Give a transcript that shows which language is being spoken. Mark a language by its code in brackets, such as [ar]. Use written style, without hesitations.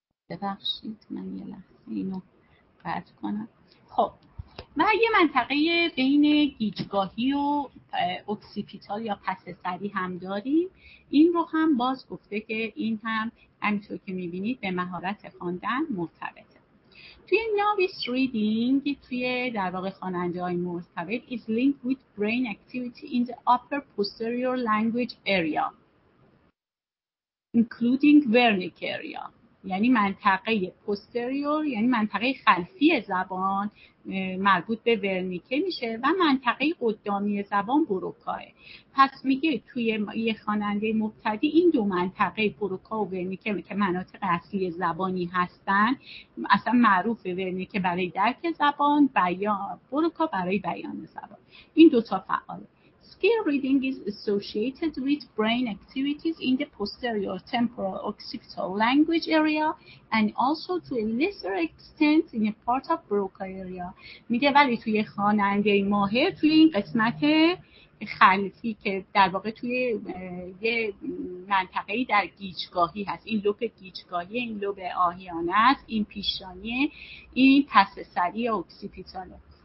[fa] ببخشید من یه لحظه اینو قطع کنم. خب و یه منطقه بین گیجگاهی و اوکسیپیتال یا پس سری هم داریم. این رو هم باز گفته که این هم همینطور که میبینید به مهارت خواندن مرتبطه. توی نویس ریدینگ، توی در واقع خواننده های مرتبط، [en] is linked with brain activity in the upper posterior language area including Wernicke area، [fa] یعنی منطقه پوستریور، یعنی منطقه خلفی زبان مربوط به ورنیکه میشه، و منطقه قدامی زبان بروکاه. پس میگه توی یه خواننده مبتدی این دو منطقه بروکا و ورنیکه که مناطق اصلی زبانی هستن، اصلا معروف ورنیکه برای درک زبان، بروکا برای بیان زبان، این دو تا فعاله. [en] Skill reading is associated with brain activities in the posterior temporal occipital language area and also to a lesser extent in a part of Broca area. [fa] میگه ولی توی خواننده ماهر توی این قسمت خلفی که در واقع توی یه منطقه‌ای در گیجگاهی هست، این لوب گیجگاهی، این لوب آهیانه است، این پیشانیه، این پس سری اوکسیپیتاله.